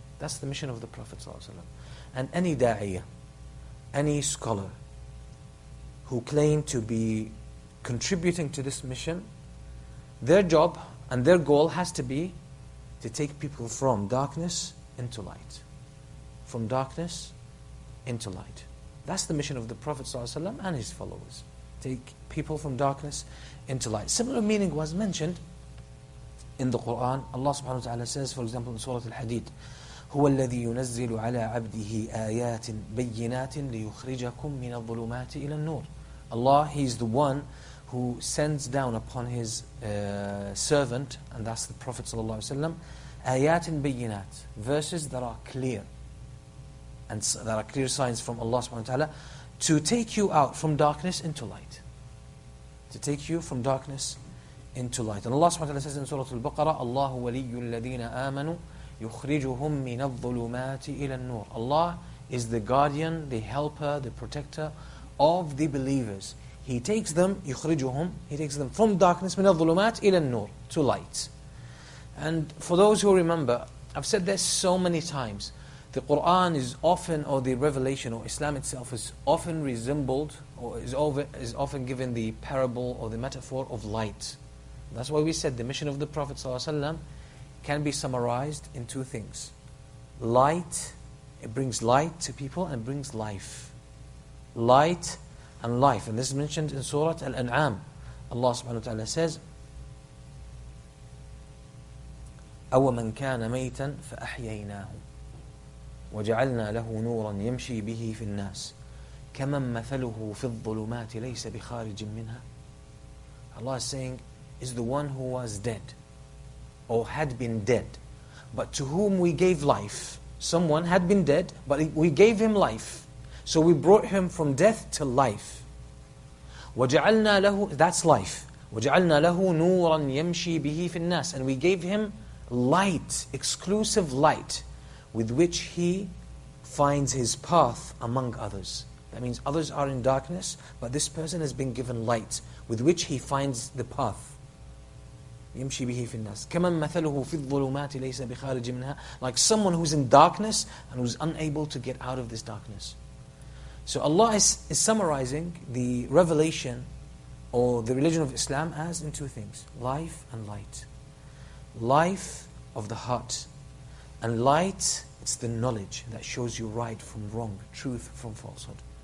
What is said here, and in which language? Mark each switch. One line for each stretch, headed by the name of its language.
English: That's the mission of the Prophet ﷺ. And any da'iyah, any scholar who claim to be contributing to this mission, their job and their goal has to be to take people from darkness into light. From darkness into light. That's the mission of the Prophet ﷺ and his followers. Take people from darkness into light. Similar meaning was mentioned in the Quran. Allah subhanahu wa ta'ala says, for example, in Surah Al-Hadid,
Arabic: هو الذي ينزل على عبده آيات بينات ليخرجكم من الظلمات إلى النور.
English: Allah, He is the one who sends down upon His servant, and that's the Prophet صلى الله عليه وسلم,
Arabic: آيات بينات,
English: verses that are clear, and that are clear signs from Allah سبحانه وتعالى, to take you out from darkness into light. To take you from darkness into light. And Allah سبحانه وتعالى says in Surah Al-Baqarah, Allah
Arabic: ولي الذين آمنوا يُخْرِجُهُمْ مِنَ الظُّلُمَاتِ إِلَى النُّورِ.
English: Allah is the guardian, the helper, the protector of the believers. He takes them,
Arabic: يُخْرِجُهُمْ,
English: He takes them from darkness,
Arabic: مِنَ الظُّلُمَاتِ إِلَى النُّورِ,
English: to light. And for those who remember, I've said this so many times, the Qur'an is often, or the revelation, or Islam itself is often resembled, or is often given the parable or the metaphor of light. That's why we said the mission of the Prophet ﷺ can be summarized in two things. Light, it brings light to people and brings life. Light and life. And this is mentioned in Surah Al-An'am. Allah subhanahu wa ta'ala says,
Arabic: أَوَمَنْ كَانَ مَيْتًا فَأَحْيَيْنَاهُ وَجَعَلْنَا لَهُ نُورًا يَمْشِي بِهِ فِي النَّاسِ كَمَنْ مَثَلُهُ فِي الظُّلُمَاتِ لَيْسَ بِخَارِجٍ مِّنْهَا.
English: Allah is saying, is the one who was dead or had been dead, but to whom we gave life. Someone had been dead, but we gave him life. So we brought him from death to life.
Arabic: وَجَعَلْنَا لَهُ,
English: that's life.
Arabic: وَجَعَلْنَا لَهُ نُورًا يَمْشِي بِهِ فِي النَّاسِ.
English: And we gave him light, exclusive light, with which he finds his path among others. That means others are in darkness, but this person has been given light, with which he finds the path.
Arabic: يمشي به في الناس كمن مثله في الظلمات ليس بخارج منها.
English: Like someone who's in darkness and who's unable to get out of this darkness. So Allah is summarizing the revelation or the religion of Islam as in two things: life and light. Life of the heart, and light, it's the knowledge that shows you right from wrong, truth from falsehood.